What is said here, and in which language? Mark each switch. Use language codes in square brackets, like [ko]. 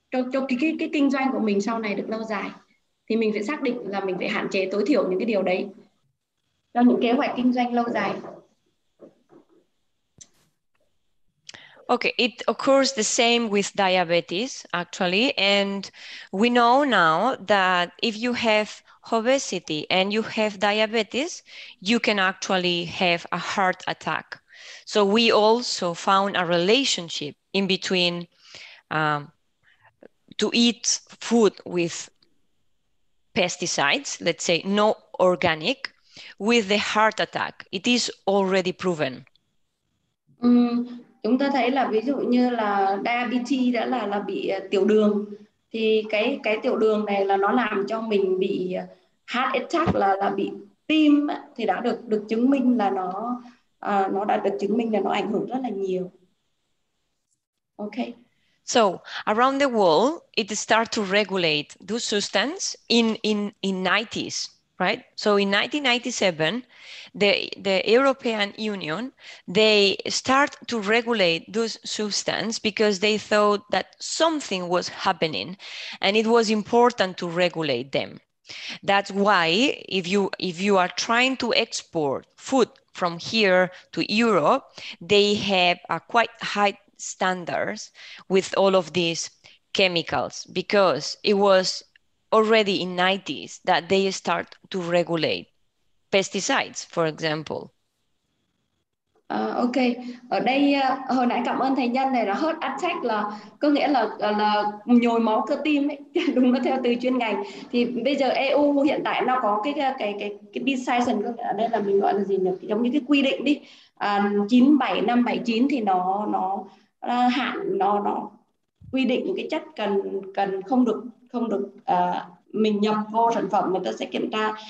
[vi] cho cái kinh doanh của mình sau này được lâu dài, thì mình phải xác định là mình phải hạn chế tối thiểu những cái điều đấy cho những kế hoạch kinh doanh lâu dài. [en] Okay, it occurs the same with diabetes actually, and we know now that if you have obesity and you have diabetes, you can actually have a heart attack. So we also found a relationship in between to eat food with pesticides, let's say no organic, with the heart attack. It is already proven. [vi] Chúng ta thấy là ví dụ như là diabetes đã là bị tiểu đường, thì cái tiểu đường này là nó làm cho mình bị heart attack là bị tim, thì đã được chứng minh là nó đã được chứng minh là nó ảnh hưởng rất là nhiều. [en] Okay. So around the world, it started to regulate those substances in 90s, right? So in 1997, the European Union, they start to regulate those substances because they thought that something was happening and it was important to regulate them. That's why if you are trying to export food from here to Europe, they have a quite high standards with all of these chemicals, because it was already in 90s that they start to regulate pesticides, for example. [vi] Okay, ở đây hồi nãy cảm ơn thầy Nhân này là heart attack là có nghĩa là nhồi máu cơ tim ấy, đúng là theo từ chuyên ngành. Thì bây giờ EU hiện tại nó có cái decision, ở đây là mình gọi là gì nhỉ, giống như cái quy định đi, 97579 thì nó hạn, nó quy định cái chất cần không được mình nhập vô sản phẩm, người ta sẽ kiểm tra.